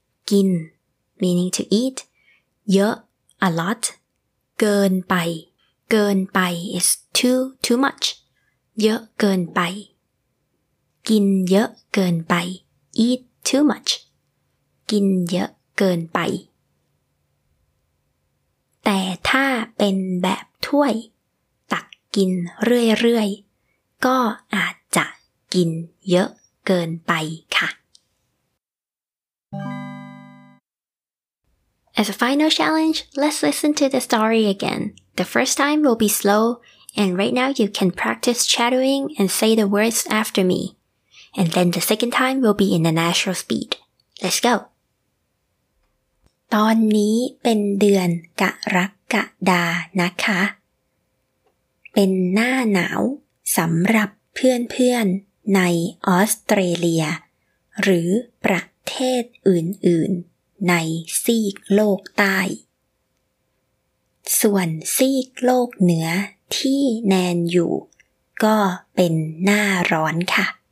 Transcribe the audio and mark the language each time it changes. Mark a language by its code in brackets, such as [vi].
[th] กิน [en] meaning to eat [th] เยอะ [en] a lot [th] เกินไปเกินไป [en] is too much [th] เยอะเกินไปกินเยอะเกินไป [en] eat too much [th] กินเยอะเกินไป แต่ถ้าเป็นแบบถ้วยตักกินเรื่อยๆก็อาจจะกินเยอะเกินไปค่ะ [en] As a final challenge, let's listen to the story again. The first time will be slow, and right now you can practice chattering and say the words after me. And then the second time will be in the natural speed. Let's go! [th] ตอนนี้เป็นเดือนกรกฎานะคะ เป็นหน้าหนาวสำหรับเพื่อนๆในออสเตรเลียหรือประเทศอื่นๆในซีกโลกใต้ส่วนซีกโลกเหนือที่แนนอยู่ก็เป็นหน้าร้อนค่ะ